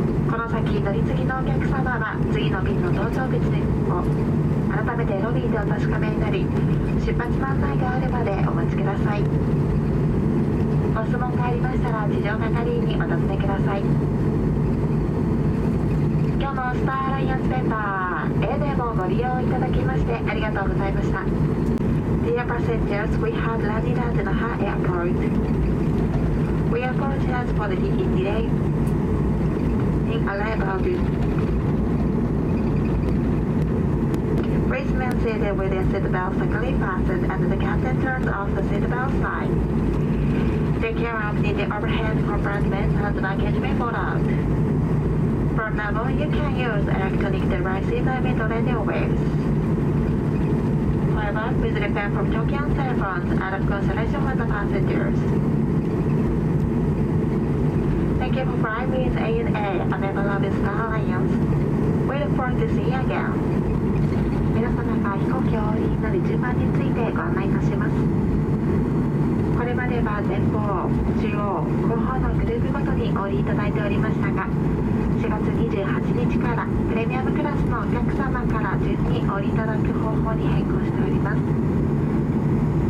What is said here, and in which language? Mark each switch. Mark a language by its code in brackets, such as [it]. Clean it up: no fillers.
[ja] この先、乗り継ぎのお客様は、次の便の搭乗口を改めてロビーでお確かめになり、出発の案内があるまでお待ちください。ご質問がありましたら、地上係にお尋ねください。今日のスターアライアンスメンバー、エーデンをご利用いただきましてありがとうございました。 [en] Dear passengers, we have landed at the Naha Airport. We apologize for the delay in arrival. Please remain seated with your seatbelt securely fastened and the captain turns off the seatbelt sign. Take care of the overhead compartment and luggage may fall out. From now on, you can use electronic devices amid radio waves. However, please refrain from talking on cell phones out of consideration for the passengers. Thank you for flying with ANA, a member of the Star Alliance. We look forward to seeing you again. [ja] 皆様が飛行機を降りるのに順番についてご案内いたします。これまでは前方、中央、後方のグループごとにお降りいただいておりましたが、4月28日からプレミアムクラスのお客様から順にお降りいただく方法に変更しております。